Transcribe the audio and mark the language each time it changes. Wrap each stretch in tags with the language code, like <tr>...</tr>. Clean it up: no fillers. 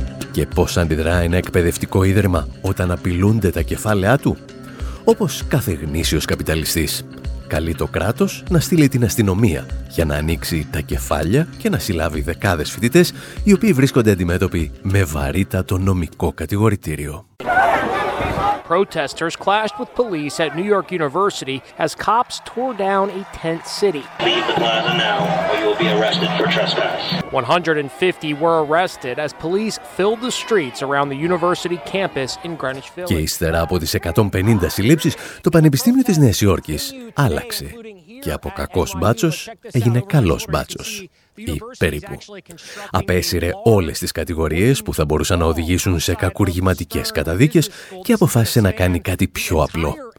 <el>Και πώς αντιδρά ένα εκπαιδευτικό ίδρυμα όταν απειλούνται τα κεφάλαιά του? Όπως κάθε γνήσιος καπιταλιστής, καλεί το κράτος να στείλει την αστυνομία για να ανοίξει τα κεφάλια και να συλλάβει δεκάδες φοιτητές οι οποίοι βρίσκονται αντιμέτωποι με βαρύτατο νομικό κατηγορητήριο.</el> <en>Protesters clashed with police at New York University as cops tore down a tent city. Leave the plaza now or you will be arrested for trespass. 150 were arrested as police filled the streets around the university campus in Greenwich Village.</en> <el>Και ύστερα από τις 150 συλλήψεις, το Πανεπιστήμιο της Νέας Υόρκης άλλαξε και από κακός μπάτσος έγινε καλός μπάτσος. Ή περίπου. Απέσυρε όλες τις κατηγορίες που θα μπορούσαν να οδηγήσουν σε κακουργηματικές καταδίκες και αποφάσισε να κάνει κάτι πιο απλό.</el>